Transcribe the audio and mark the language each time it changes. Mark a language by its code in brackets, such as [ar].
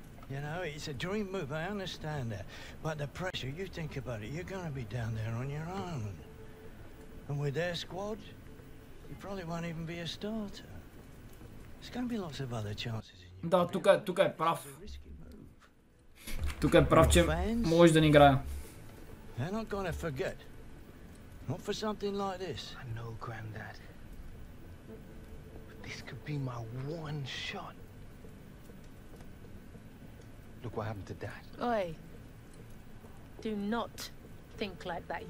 [en] You know, it's a dream move, I understand that. But the pressure, you think about it, you're gonna be down there on your own. And with their squad, you probably won't even be a starter. There's gonna be lots of other chances in your... [bg] Да, тук е прав. Тук е прав, че можеш да ни играя. [en] They're not gonna forget. Not for something like this. I know, Granddad. But this could be my one shot. Look what happened to Dad. Oi. Do not think like that.